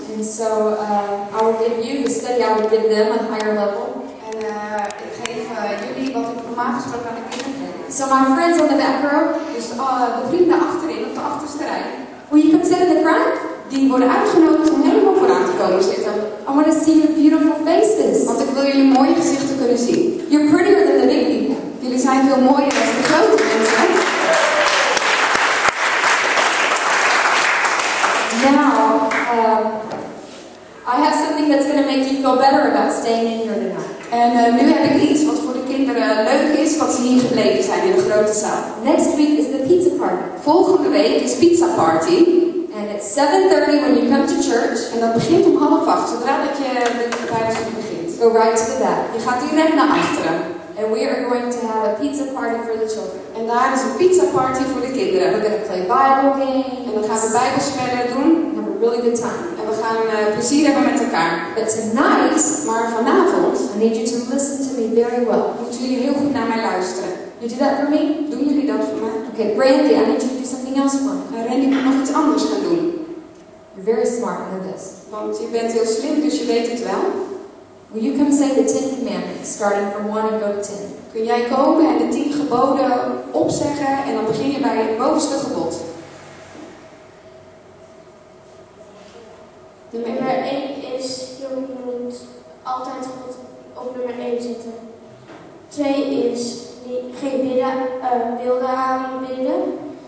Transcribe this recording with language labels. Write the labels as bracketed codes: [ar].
[en] And so I will give you the study, I will give them a higher level. [nl] En ik geef jullie wat ik normaal gesproken aan de kinderen geef. [en] So my friends on the back row, [nl] dus de vrienden achterin op de achterste rij. [en] Will you come sit in the front? [nl] Die worden uitgenodigd om helemaal vooraan te komen zitten. [en] I want to see your beautiful faces. [nl] Want ik wil jullie mooie gezichten kunnen zien. [en] You're prettier than the big people. [nl] Jullie zijn veel mooier dan de grote mensen. [en] Now, I have something that's going to make you feel better about staying in here tonight. [nl] En nu heb ik iets wat voor de kinderen leuk is, wat ze hier gebleven zijn in de grote zaal. [en] Next week is the pizza party. [nl] Volgende week is pizza party. [en] And it's 7:30 when you come to church. [nl] En dat begint om 7:30, zodra dat je de bijbelstudie begint. [en] Go right to the back. [nl] Je gaat direct naar achteren. [en] And we are going to have a pizza party for the children. [nl] En daar is een pizza party voor de kinderen. [en] We're going to play Bible games. [nl] En we gaan de bijbelspellen doen. [en] We have a really good time. [nl] En we gaan plezier hebben met elkaar. [en] But tonight, [nl] maar vanavond, [en] I need you to listen to me very well. [nl] Moeten jullie heel goed naar mij luisteren. [en] You do that for me? [nl] Doen jullie dat voor mij? [en] Okay, Brandy, I need you to do something else for me. [nl] Randy moet nog iets anders gaan doen. [en] You're very smart, I know this. [nl] Want je bent heel slim, dus je weet het wel. [en] Will you come say the 10 commandments, starting from 1 and go to 10? [nl] Kun jij komen en de 10 geboden opzeggen en dan begin je bij het bovenste gebod. Nummer 1 is, je moet altijd God op nummer 1 zitten. 2 is, geen beelden aanbidden.